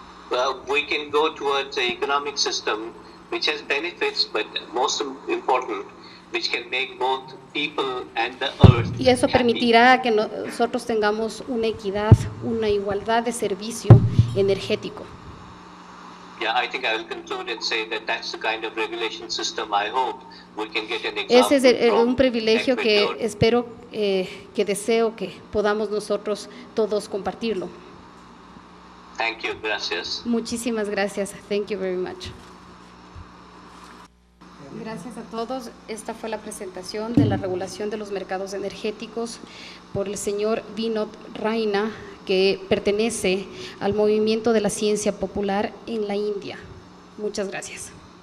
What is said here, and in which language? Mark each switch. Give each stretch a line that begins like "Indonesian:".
English: Well, we can go towards an economic system which has benefits, but most important, which can make both people and the earth.
Spanish: Y eso permitirá que nosotros tengamos una equidad, una igualdad de servicio energético.
English: Yeah, I think I will conclude and say that that's the kind of regulation system I hope we can get an example.
Spanish: Ese es un privilegio que espero que deseo que podamos nosotros todos compartirlo.
English: Thank you,
Spanish: gracias. Muchísimas gracias.
English: Thank you very much.
Spanish: Gracias a todos. Esta fue la presentación de la regulación de los mercados energéticos por el señor Vinod Raina, que pertenece al movimiento de la ciencia popular en la India. Muchas gracias.